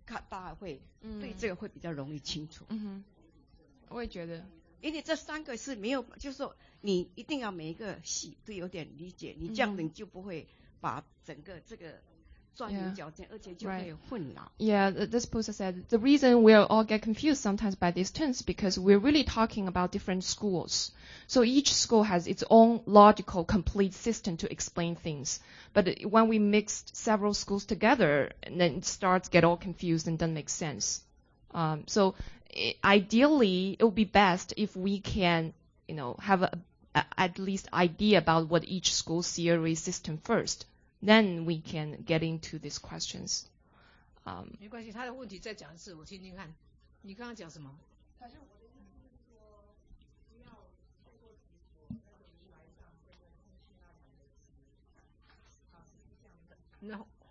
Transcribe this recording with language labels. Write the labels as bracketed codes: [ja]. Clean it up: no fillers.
[zh] 大家会对这个会比较容易清楚。嗯哼，我也觉得，因为这三个是没有，就是说你一定要每一个系都有点理解，你这样子就不会把整个这个钻牛角尖，而且就会混淆。 [en] Right. Yeah, this person said the reason we all get confused sometimes by these terms because we're really talking about different schools. So each school has its own logical complete system to explain things. But when we mixed several schools together, then it starts get all confused and doesn't make sense. So ideally, it would be best if we can, you know, have at least idea about what each school theory system first. Then we can get into these questions. [zh] 没关系，他的问题再讲一次，我听听看。你刚刚讲什么？他是我的意思是说，不要太过执着，如来藏会很虚那两个词。